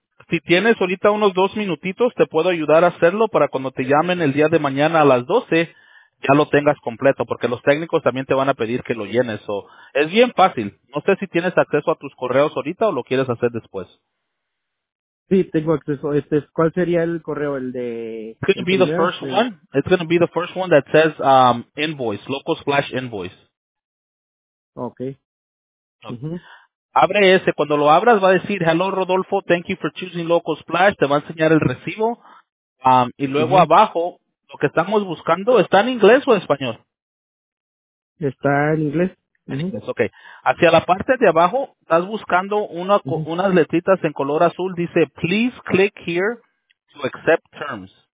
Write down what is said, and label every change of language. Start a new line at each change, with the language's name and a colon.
Spanish: Si tienes ahorita unos 2 minutitos, te puedo ayudar a hacerlo para cuando te llamen el día de mañana a las 12, ya lo tengas completo, porque los técnicos también te van a pedir que lo llenes. So, es bien fácil. No sé si tienes acceso a tus correos ahorita o lo quieres hacer después. Sí, tengo acceso. ¿Cuál sería el correo? El de...
English: It's going to be the first one. It's going to be the first one that says invoice, local slash invoice. Okay.
Spanish: Abre ese. Cuando lo abras, va a decir,
English: hello, Rodolfo, thank you for choosing Local Splash.
Spanish: Te va a enseñar el recibo. Y luego abajo, lo que estamos buscando, ¿está en inglés o en español? Está en inglés. En inglés, ok. Hacia la parte de abajo, estás buscando unas letritas en color azul. Dice,
English: please click here to accept terms.